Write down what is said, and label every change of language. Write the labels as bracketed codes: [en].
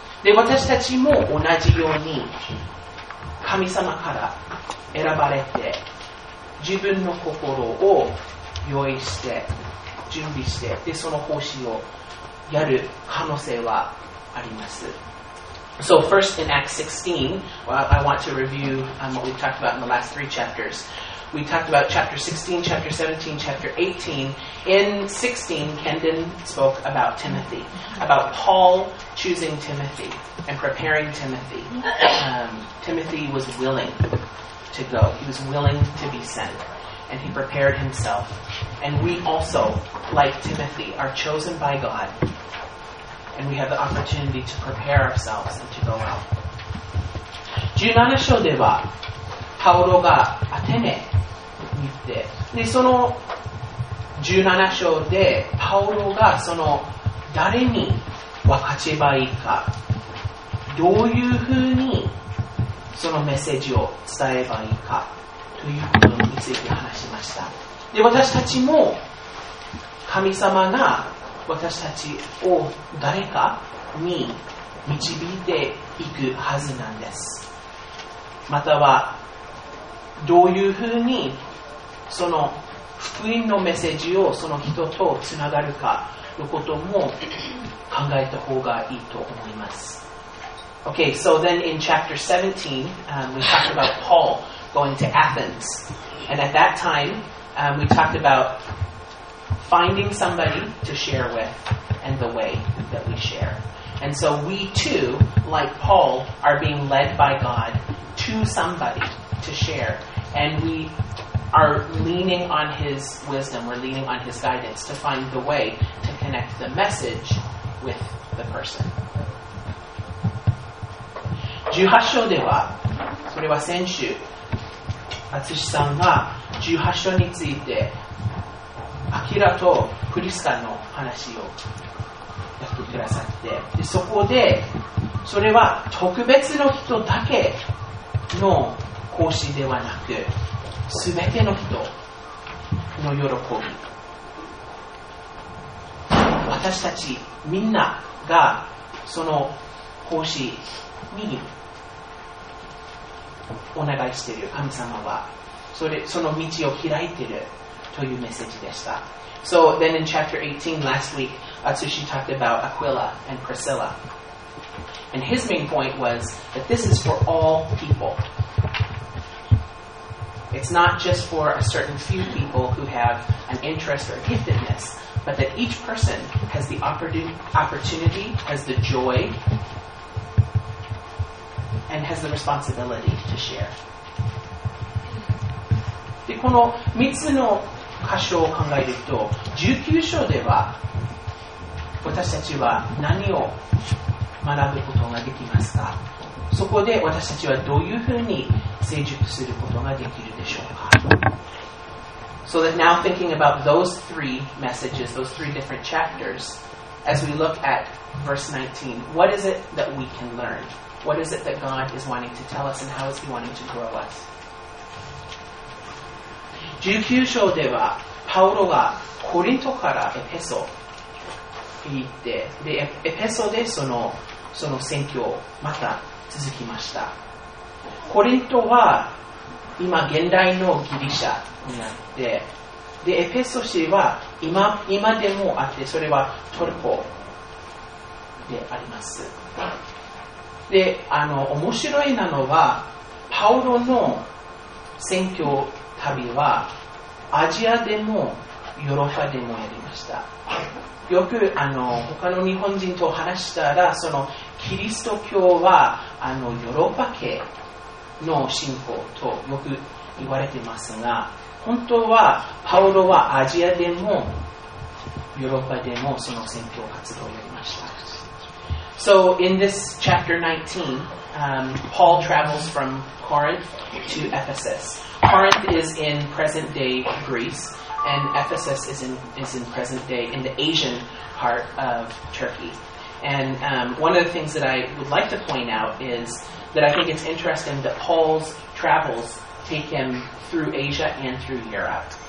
[ja] で、私たちも同じように神様から選ばれて、自分の心を用意して準備して、で、その奉仕をやる可能性はあります。 [en] So first in Acts 16, well, I want to review what we've talked about in the last three chapters. We talked about chapter 16, chapter 17, chapter 18. In 16, Kendon spoke about Timothy, about Paul choosing Timothy and preparing Timothy. Timothy was willing to go. He was willing to be sent, and he prepared himself. And we also, like Timothy, are chosen by God. And we have the opportunity to prepare ourselves and to go out. [ja] 17章では、パウロがアテネに行って、で、その17章で、パウロがその誰に分かちばいいか、どういうふうにそのメッセージを伝えばいいか、ということについて話しました。で、私たちも神様が私たちを誰かに導いていくはずなんです。またはどういうふうにその福音のメッセージをその人とつながるかのことも考えた方がいいと思います。 [en] OK, so then in chapter 17、we talked about Paul going to Athens, and at that time、we talked aboutfinding somebody to share with and the way that we share. And so we too, like Paul, are being led by God to somebody to share. And we are leaning on his wisdom, we're leaning on his guidance to find the way to connect the message with the person. [ja] 18章では、それは先週、アツシさんが18章についてアキラとクリスタの話をやってくださって、でそこでそれは特別の人だけの行使ではなく、すべての人の喜び、私たちみんながその行使にお願いしている神様は、その道を開いているというメッセージでした。 [en] So then in chapter 18 last week, Atsushi talked about Aquila and Priscilla. And his main point was that this is for all people. It's not just for a certain few people who have an interest or giftedness, but that each person has the opportunity, has the joy, and has the responsibility to share. [ja] で、この3つの箇所を考えると、19章では私たちは何を学ぶことができますか？そこで私たちはどういうふうに成熟することができるでしょうか？ [en] So that now thinking about those three messages, those three different chapters, as we look at verse 19, what is it that we can learn? What is it that God is wanting to tell us and how is he wanting to grow us? [ja] 19章ではパウロがコリントからエペソに行って、でエペソでその宣教また続きました。コリントは今現代のギリシャになって、でエペソ市は 今でもあって、それはトルコであります。で面白いなのはパウロの宣教旅はアジアでもヨーロッパでもやりました。よく他の日本人と話したら、そのキリスト教はヨーロッパ系の信仰とよく言われてますが、本当はパウロはアジアでもヨーロッパでもその宣教活動をやりました。 [en] So in this chapter 19、Paul travels from Corinth to EphesusCorinth is in present-day Greece, and Ephesus is in present-day, in the Asian part of Turkey. And one of the things that I would like to point out is that I think it's interesting that Paul's travels take him through Asia and through Europe.